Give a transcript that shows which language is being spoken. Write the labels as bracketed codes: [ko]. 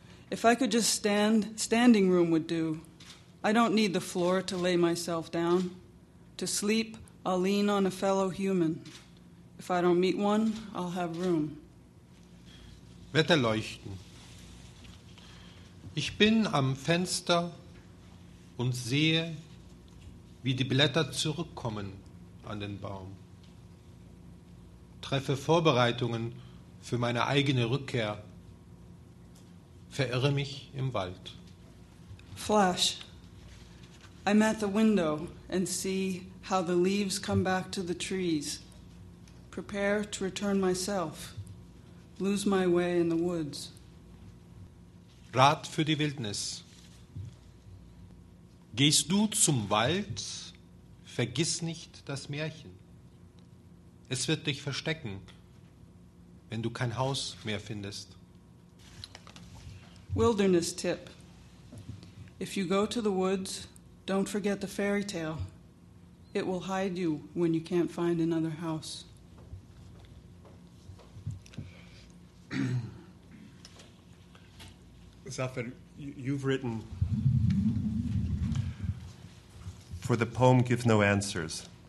[en] If I could just stand, standing room would do. I don't need the floor to lay myself down. To sleep, I'll lean on a fellow human. If I don't meet one, I'll have room. [de] Wetterleuchten. Ich bin am Fenster und sehe, wie die Blätter zurückkommen an den Baum. Treffe Vorbereitungen für meine eigene Rückkehr. Verirre mich im Wald. [en] Flash. I'm at the window and see how the leaves come back to the trees. Prepare to return myself. Lose my way in the woods. [de] Rat für die Wildnis. Gehst du zum Wald, vergiss nicht das Märchen. Es wird dich verstecken, wenn du kein Haus mehr findest. [en] Wilderness tip. If you go to the woods, don't forget the fairy tale. It will hide you when you can't find another house. Zafer, you've written, for the poem gives no answers.